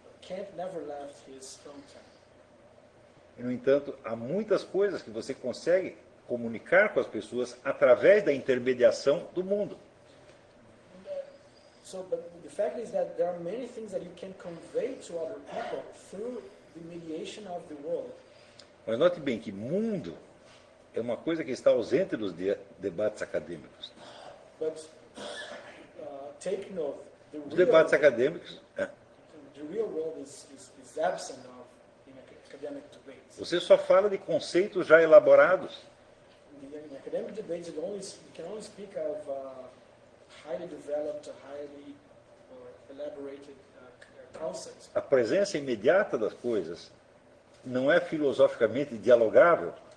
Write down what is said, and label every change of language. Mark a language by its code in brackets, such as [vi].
[en] Kant never left his hometown. [pt] E, no entanto, há muitas coisas que você consegue comunicar com as pessoas através da intermediação do mundo. [en] So, but the fact is that there are many things that you can convey to other people through the mediation of the world. [pt] Mas note bem que mundo é uma coisa que está ausente dos debates acadêmicos. [en] But take note, the [pt] real, debates acadêmicos. [en] The real world is absent of in academic debates. [pt] Você só fala de conceitos já elaborados. [en] In academic debates, you can only speak of highly developed, highly elaborated concepts. [pt] A presença imediata das coisas não é filosoficamente dialogável.